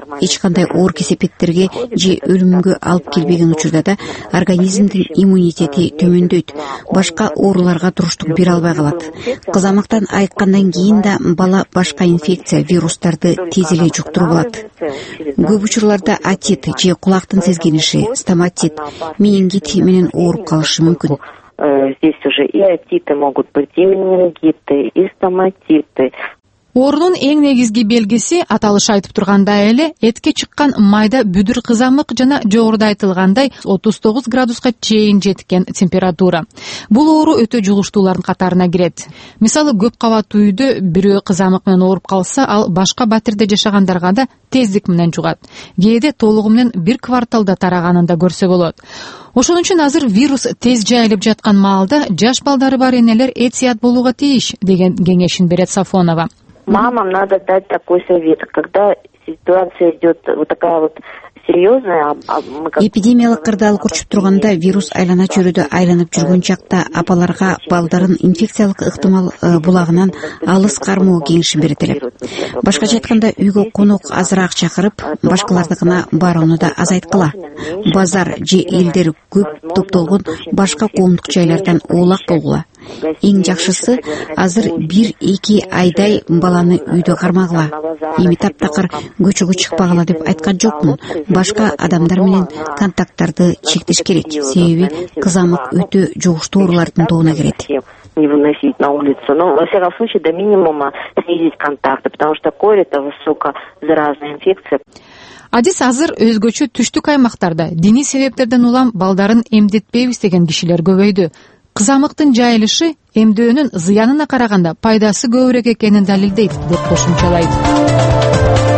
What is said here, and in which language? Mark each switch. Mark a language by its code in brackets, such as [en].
[ky] Эч кандай оор кесепеттерге же өлүмгө алып келбеген учурда да организмдин иммунитети төмөндөйт, башка ооруларга туруштук бере албай калат. Кызамыктан айыккандан кийин да бала башка инфекция, вирустарды тез эле жуктуруп алат. Көп учурларда атит же кулактын сезгениши, стоматит, менингит менен ооруп калышы мүмкүн. [ru] Здесь уже и атиты могут быть, и менингиты, и стоматиты. [ky] Оорунун эң негизги белгиси аталышы айтып тургандай эле этке чыккан майда бүдүр кызамык жана жогоруда айтылгандай 39 градуска чейин жеткен температура. Бул оору өтө жугуштуулардын катарына кирет. Мисалы, көп кабаттуу үйдө бирөө кызамык менен ооруп калса, ал башка батирде жашагандарга да тездик менен жугат. Кээде толугу менен бир кварталда тараганын да көрсө болот. Ошон үчүн азыр вирус тез жайылып жаткан маалда жаш балдары бар энелер эт сыят болууга тийиш деген кеңешин берет Сафонова. [ru] Мамам надо дать такой совет, когда ситуация идет вот такая вот серьезная. [ky] Эпидемиялык кырдаал курчуп турганда вирус айлана чөйрөдө айланып жүргөн чакта апаларга балдарын инфекциялык ыктымал булагынан алыс кармоо кеңешин берет элем. Башкача айтканда үйгө конок азыраак чакырып, башкалардыкына барууну да азайткыла. Базар же элдер көп топтолгон башка коомдук жайлардан оолак болгула. Эң жакшысы азыр 1-2 айдай баланы үйдө кармагыла. Эми таптакыр көчөгө чыкпагыла деп айткан жокмун. Башка адамдар менен контакттарды чектеш керек. Себеби кызамык өтө жугуштуу оорулардын тобуна кирет. [ru] Не выносить на улицу, но во всяком случае до минимума снизить контакты, потому что корь это высокозаразная инфекция. [ky] Адис азыр өзгөчө түштүк аймактарда диний себептерден улам балдарын эмдетпейбиз деген кишилер көбөйдү. Кызамыктын жайылышы эмдөөнүн зыянына караганда пайдасы көбүрөөк экенин далилдейт деп кошумчалайт.